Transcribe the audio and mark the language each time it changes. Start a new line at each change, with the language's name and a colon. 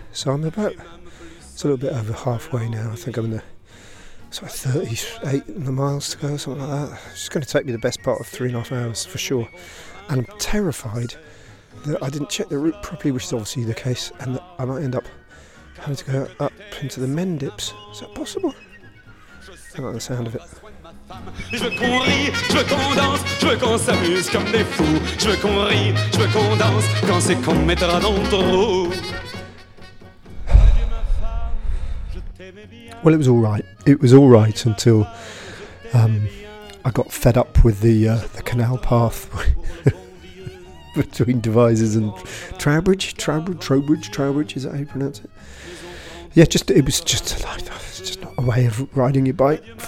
English: So I'm about, it's a little bit over halfway now, I think I'm in the sort of 38 miles to go or something like that. It's going to take me the best part of 3.5 hours for sure, and I'm terrified that I didn't check the route properly, which is obviously the case, and that I might end up having to go up into the Mendips. Is that possible? I like the sound of it.
French: Je veux qu'on rie, je veux qu'on danse, je veux qu'on s'amuse comme des fous. Je veux qu'on rie, je veux qu'on danse, quand c'est qu'on mettra dans ton roux.
English: Well, it was all right. It was all right until I got fed up with the canal path between Devizes and Trowbridge. Trowbridge, is that how you pronounce it? Yeah, just it was just like, it's just not a way of riding your bike.